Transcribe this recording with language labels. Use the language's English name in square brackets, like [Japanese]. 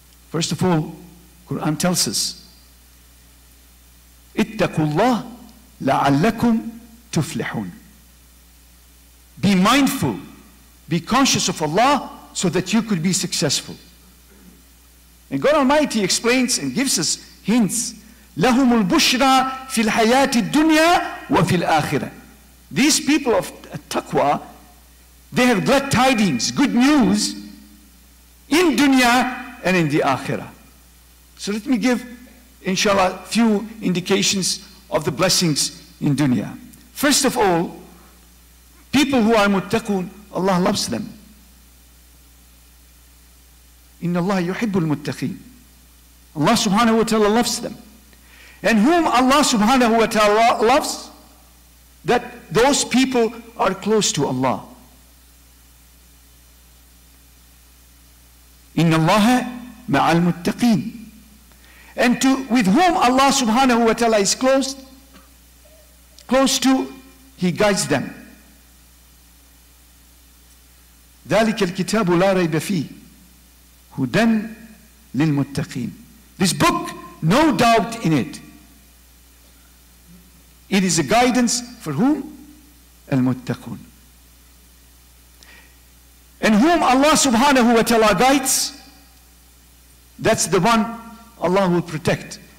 [English] First of all, Quran tells us, [Arabic] اتقوا الله لعلكم تفلحون. [English] Be mindful, be conscious of Allah so that you could be successful. And God Almighty explains and gives us hints. [Arabic] لهم البشرى في الحياة الدنيا وفي الآخرة. [English] These people of taqwa, they have glad tidings, good news in dunya and in the akhirah. So let me give, inshallah, a few indications of the blessings in dunya. First of all, people who are muttaqun, Allah loves them. [Arabic] Inna Allah yuhibbu al-muttaqin. [English] Allah subhanahu wa ta'ala loves them. And whom Allah subhanahu wa ta'ala loves? That those people are close to Allah. [Arabic] Inna Allah ma'a al-muttaqin. [English] And to with whom Allah subhanahu wa ta'ala is close to, he guides them. [Arabic] ذلك الكتاب لا ريب فيه هدى للمتقين. [English] This book, no doubt in it. It is a guidance for whom? [Arabic] المتقون. [English] And whom Allah subhanahu wa ta'ala guides, that's the one Allah will protect.